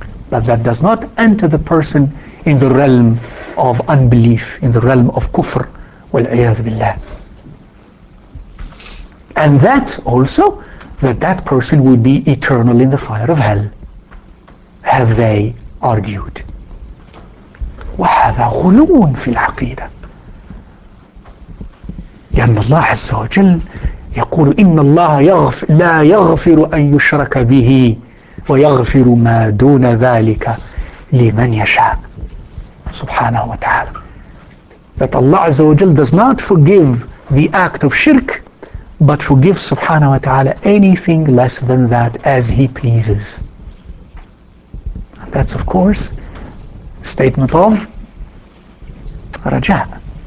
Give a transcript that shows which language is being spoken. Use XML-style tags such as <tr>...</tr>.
<en>But that does not enter the person in the realm of unbelief, in the realm of kufr, wal-ayyadu billah. And that also, that person will be eternal in the fire of hell, have they argued.</en> <ar>وَهَذَا غُلُونَ فِي الْعَقِيدَةِ لأن الله عز وجل يقول إن الله لا يغفر أن يشرك به ويغفر ما دون ذلك لمن يشاء سبحانه وتعالى.</ar> <en>That Allah عز وجل does not forgive the act of shirk, but forgives subhanahu wa ta'ala anything less than that as he pleases. And that's of course a statement of raja.</en>